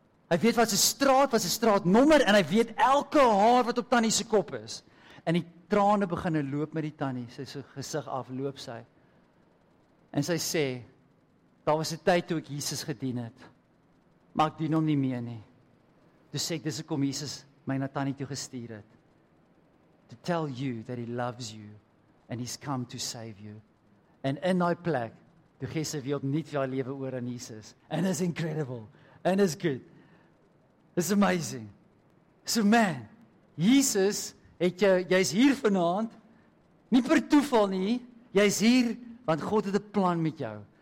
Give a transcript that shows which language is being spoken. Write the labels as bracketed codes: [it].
[af] hy weet wat sy straatnommer, en hy weet elke haar wat op Tannie se kop is, en die trane beginne loop met die Tannie, sy gesig af, loop sy, en sy sê, daar was die tyd toe ek Jesus gedien het, maar ek dien hom nie meer nie. Toe sê ek, dis ek om Jesus my na Tannie toe gestuur het. [en] To tell you that he loves you, and he's come to save you. [af] En in die plek, toe gee sy weer opnuut jou lewe oor aan Jesus. [en] And it's incredible, and it's good. It's amazing. [af] So man, Jesus, jy is hier vanaand, nie per toeval nie, jy is hier, want God het 'n plan met jou.